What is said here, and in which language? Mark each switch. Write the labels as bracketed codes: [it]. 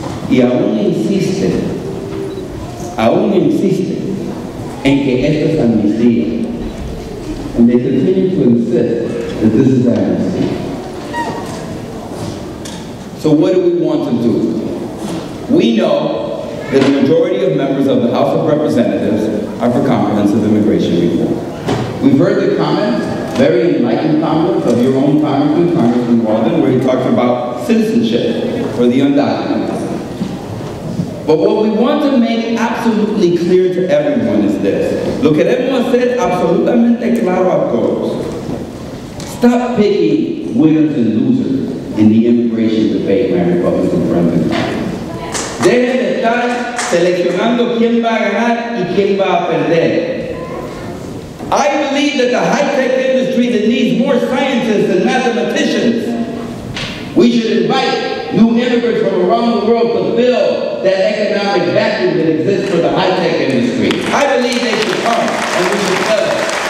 [es] Y aún insisten en que esto es amnistía. [en] And they continue to insist that this is amnesty. So what do we want to do? We know that the majority of members of the House of Representatives are for comprehensive immigration reform. We've heard the comments, very enlightened comments, of your own congressman, Congressman Walden, where he talked about citizenship for the undocumented. But what we want to make absolutely clear to everyone is this. [es] Lo queremos hacer absolutamente claro a todos. [en] Stop picking winners and losers in the immigration debate, my Republican friends and colleagues. [es] Dejen de estar seleccionando quién va a ganar y quién va a perder. [en] I believe that the high-tech industry that needs more scientists and mathematicians, we should invite new immigrants from around the world to fill that economic vacuum that exists for the high-tech industry. I believe they should come, and we should tell them.